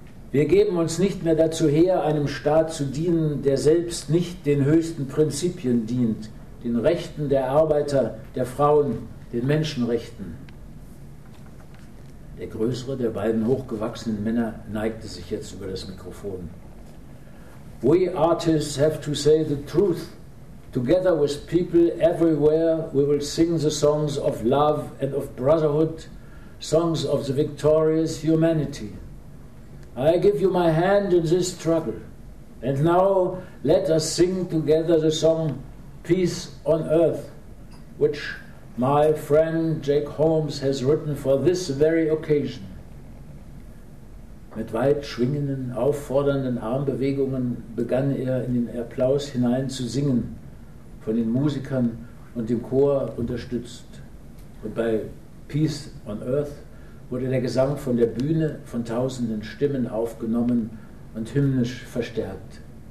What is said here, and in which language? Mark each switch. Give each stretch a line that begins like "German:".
German: Wir geben uns nicht mehr dazu her, einem Staat zu dienen, der selbst nicht den höchsten Prinzipien dient, den Rechten der Arbeiter, der Frauen, den Menschenrechten. Der größere der beiden hochgewachsenen Männer neigte sich jetzt über das Mikrofon.
English: We artists have to say the truth. Together with people everywhere, we will sing the songs of love and of brotherhood, songs of the victorious humanity. I give you my hand in this struggle. And now let us sing together the song Peace on Earth, which my friend Jake Holmes has written for this very occasion.
German: Mit weit schwingenden, auffordernden Armbewegungen begann er in den Applaus hinein zu singen. Von den Musikern und dem Chor unterstützt. Und bei Peace on Earth wurde der Gesang von der Bühne von tausenden Stimmen aufgenommen und hymnisch verstärkt.